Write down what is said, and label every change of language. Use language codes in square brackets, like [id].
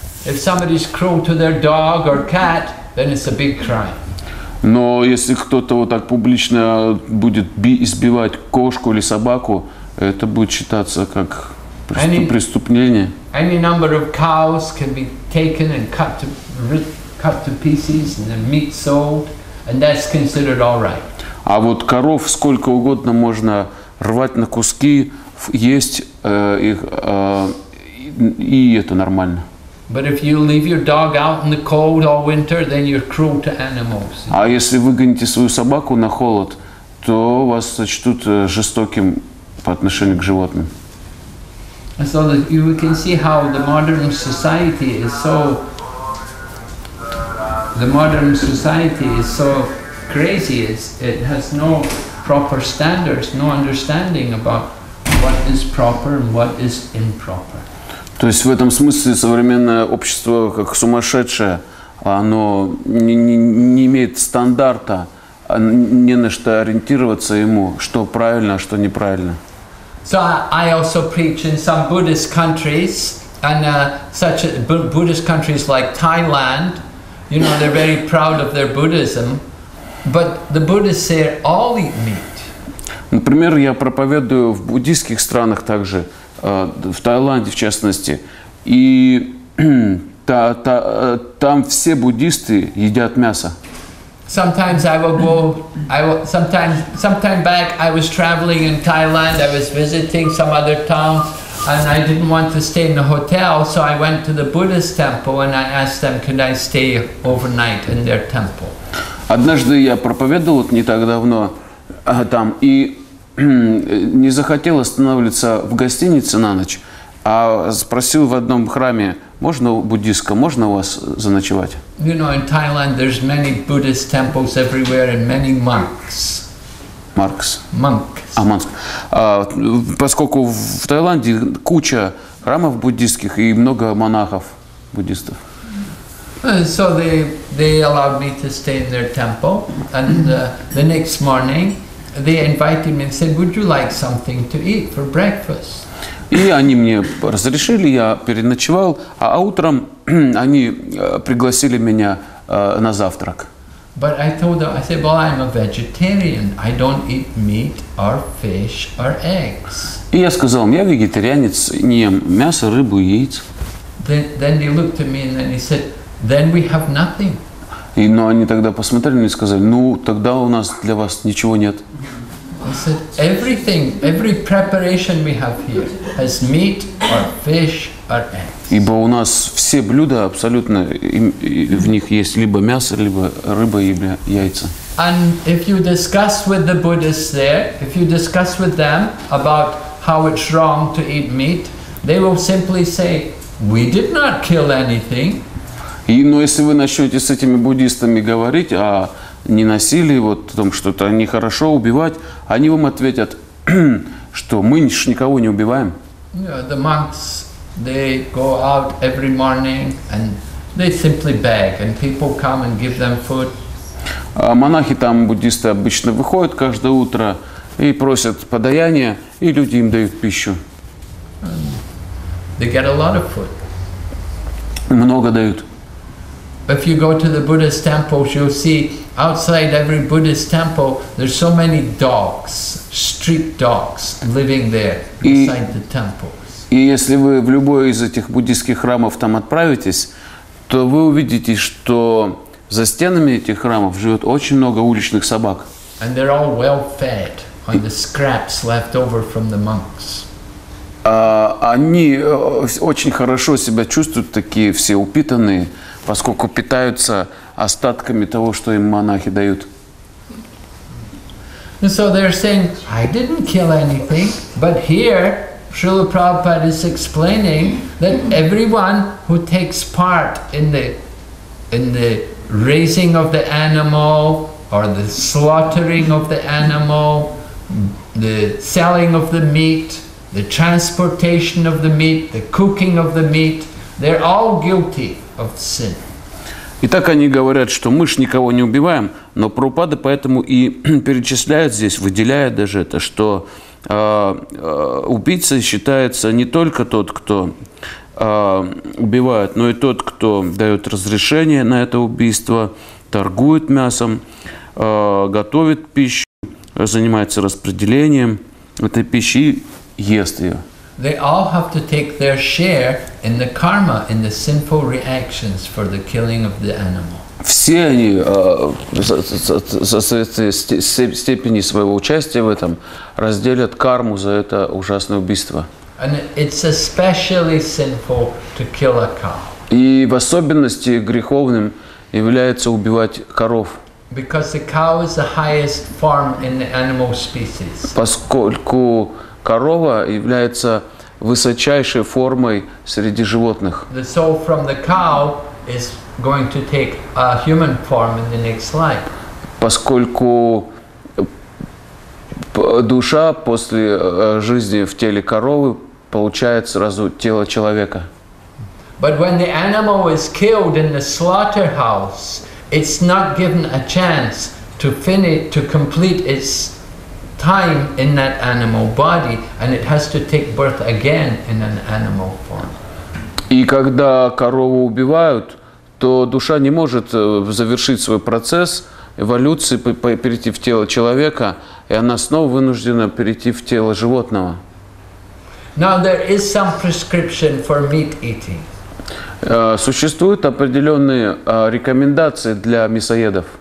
[en] If somebody's cruel to their dog or cat, then it's a big crime. [ru] Но если кто-то вот так публично будет избивать кошку или собаку, это будет считаться как преступление. [en] Any number of cows can be taken and cut to pieces and the meat sold, and that's considered all right. [ru] А вот коров сколько угодно можно рвать на куски, есть их, и это нормально. [en] But if you leave your dog out in the cold all winter, then you're cruel to animals. [ru] А если выгоните свою собаку на холод, то вас сочтут жестоким по отношению к животным. [en] And so that you can see how the modern society is so crazy, it has no proper standards, no understanding about what is proper and what is improper. [ru] То есть в этом смысле современное общество как сумасшедшее, оно не имеет стандарта, не на что ориентироваться ему, что правильно, а что неправильно. [en] So I also preach in some Buddhist countries, and such Buddhist countries like Thailand, you know, they're very proud of their Buddhism. But the Buddhists say all eat meat. [ru] Например, я проповедую в буддийских странах также, в Таиланде в частности, и там все буддисты едят мясо. [en] Sometimes I will go. Sometime back I was traveling in Thailand. I was visiting some other towns, and I didn't want to stay in the hotel, so I went to the Buddhist temple and I asked them, "Could I stay overnight in their temple?" [ru] Однажды я проповедовал не так давно там и не захотел останавливаться в гостинице на ночь, а спросил в одном храме. Можно у буддистка, можно у вас заночевать? [en] You know, in Thailand there's many Buddhist temples everywhere and many monks. Monks. Monks. [ru] А, монк. Поскольку в Таиланде куча храмов буддистских и много монахов буддистов. [en] So they allowed me to stay in their temple, and the next morning they invited me and said, "Would you like something to eat for breakfast?" [ru] И они мне разрешили, я переночевал, а утром они пригласили меня на завтрак. [en] But I told them, I said, "Well, I'm a vegetarian. I don't eat meat or fish or eggs." [ru] И я сказал им, я вегетарианец, не ем мясо, рыбу, яиц. [en] Then they looked at me and then they said, "Then we have nothing." [ru] И но они тогда посмотрели на меня и сказали, ну тогда у нас для вас ничего нет. [en] I said, "Everything, every preparation we have here has meat or fish or eggs." [ru] Ибо у нас все блюда абсолютно в них есть либо мясо, либо рыба, либо яйца. [en] And if you discuss with the Buddhists there, if you discuss with them about how it's wrong to eat meat, they will simply say, "We did not kill anything." [ru] Но если вы начнете с этими буддистами говорить, а не насилие, вот о том, что это нехорошо убивать, они вам ответят, что мы никого не убиваем. [en] Yeah, the monks, they go out every morning and they simply beg, and people come and give them food. [ru] А монахи там, буддисты, обычно выходят каждое утро и просят подаяния, и люди им дают пищу. [en] They get a lot of food. [ru] Много дают. [en] If you go to the Buddhist temples, you'll see outside every Buddhist temple there's so many dogs, street dogs, living there inside the temples. [ru] И если вы в любой из этих буддийских храмов там отправитесь, то вы увидите, что за стенами этих храмов живет очень много уличных собак. [en] And they're all well fed on the scraps left over from the monks. [ru] Они очень хорошо себя чувствуют, такие все упитанные, поскольку питаются остатками того, что им монахи дают. [en] And so they're saying, "I didn't kill anything," but here Srila Prabhupada is explaining that everyone who takes part in the raising of the animal or the slaughtering of the animal, the selling of the meat, the transportation of the meat, the cooking of the meat, they're all guilty of sin. [ru] И так они говорят, что мы ж никого не убиваем, но Прабхупада поэтому и перечисляет здесь, выделяет даже это, что убийцей считается не только тот, кто убивает, но и тот, кто дает разрешение на это убийство, торгует мясом, готовит пищу, занимается распределением этой пищи, ест ее. [en] They all have to take their share in the karma, in the sinful reactions for the killing of the animal. [ru] Все они со степени своего участия в этом разделят карму за это ужасное убийство. [en] And it's especially sinful to kill a cow. [ru] И в особенности греховным является убивать коров. [en] Because the cow is the highest form in the animal species. [ru] Поскольку корова является высочайшей формой среди животных. [en] The soul from the cow is going to take a human form in the next life. [ru] Поскольку душа после жизни в теле коровы получает сразу тело человека. [en] But when the animal is killed in the slaughterhouse, it's not given a chance to finish, to complete its time in that animal body, and it has to take birth again in an animal form. [ru] И когда корову убивают, то душа не может завершить свой процесс эволюции, перейти в тело человека, и она снова вынуждена перейти в тело животного. [en] Now there is some prescription for meat eating. [ru] Существуют определенные рекомендации для мясоедов.